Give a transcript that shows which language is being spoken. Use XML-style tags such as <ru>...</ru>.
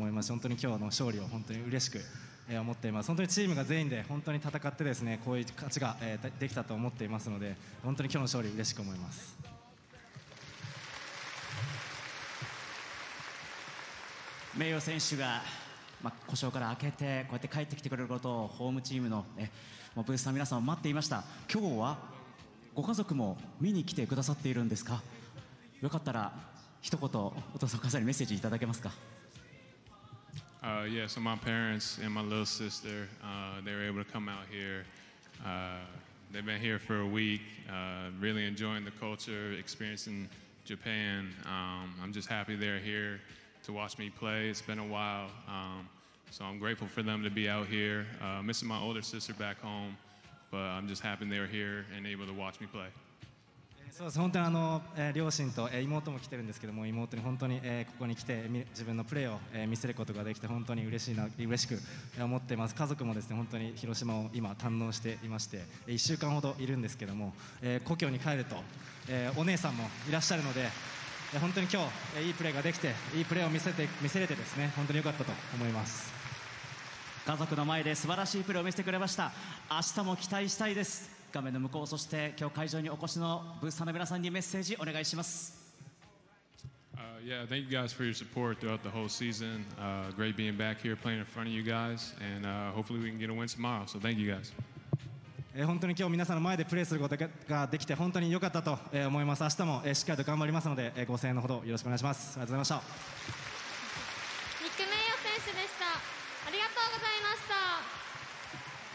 <ja>そして本当にこのホームゲームでプレーすることができて本当に良かったなと思います。このファンの皆様でプレーするのが本当に久しぶりだったので、今日は本当に楽しかったなと思います。本当に今日の勝利を本当に嬉しく 思っています。本当にチームが全員で本当に戦ってですね、こういう勝ちができたと思っていますので、本当に今日の勝利嬉しく思います。名誉選手が故障から明けてこうやって帰ってきてくれることをホームチームのブースの皆さんも待っていました。今日はご家族も見に来てくださっているんですか。よかったら一言お父さんお母さんにメッセージいただけますか。</ja> <en>Yeah, so my parents and my little sister, they were able to come out here. They've been here for a week, really enjoying the culture, experiencing Japan. I'm just happy they're here to watch me play. It's been a while, so I'm grateful for them to be out here. Missing my older sister back home, but I'm just happy they're here and able to watch me play.</en> <ja>そうです、本当にあの、両親と妹も来てるんですけども、妹に本当に、ここに来て自分のプレーを、見せることができて本当に嬉しく思っています。家族もですね、本当に広島を今堪能していまして、1週間ほどいるんですけども、故郷に帰ると、お姉さんもいらっしゃるので、本当に今日いいプレーができて、いいプレーを見せれてですね、本当に良かったと思います。家族の前で素晴らしいプレーを見せてくれました。明日も期待したいです。画面の向こう、そして今日会場にお越しのブースターの皆さんにメッセージお願いします。</ja> <en>Yeah, thank you guys for your support throughout the whole season. Great being back here playing in front of you guys, and hopefully we can get a win tomorrow. So thank you guys.</en> <ja>本当に今日皆さんの前でプレーすることができて本当に良かったと思います。明日もしっかりと頑張りますので、ご声援のほどよろしくお願いします。ありがとうございました。ニック名誉選手でした。ありがとうございました。</ja>